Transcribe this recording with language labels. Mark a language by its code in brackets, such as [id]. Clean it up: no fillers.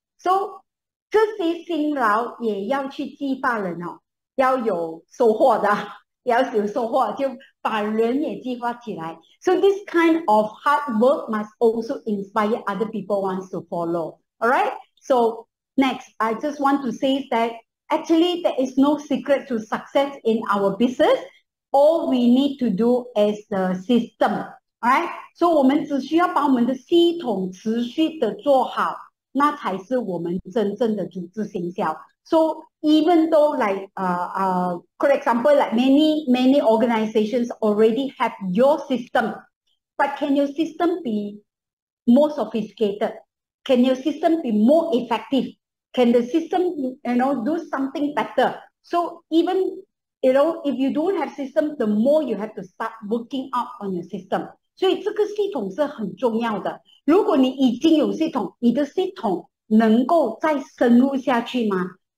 [zh] So 这些辛劳也要去激发人哦，要有收获的。要有收获就把人也激发起来. [en] So this kind of hard work must also inspire other people wants to follow. Alright? So next, I just want to say that actually there is no secret to success in our business. All we need to do is the system. Alright? [zh] So 我们只需要把我们的系统持续的做好，那才是我们真正的组织行销. [en] So even though like, for example, like many organizations already have your system, but can your system be more sophisticated? Can your system be more effective? Can the system, you know, do something better? So even, you know, if you don't have system, the more you have to start working out on your system. [zh] 所以这个系统是很重要的。如果你已经有系统，你的系统能够再深入下去吗？